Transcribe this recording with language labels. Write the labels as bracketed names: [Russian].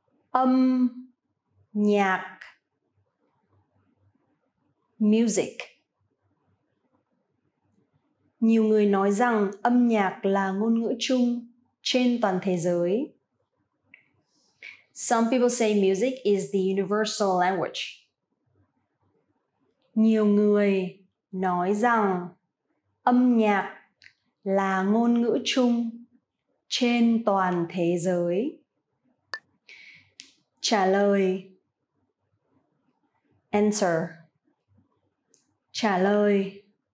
[Vietnamese] Âm nhạc. [English] Music. [Vietnamese] Nhiều người nói rằng âm nhạc là ngôn ngữ chung trên toàn thế giới. [English] Some people say music is the universal language. [Vietnamese] Nhiều người nói rằng âm nhạc là ngôn ngữ chung trên toàn thế giới. Trả lời. [English] Answer. [Vietnamese] Trả lời.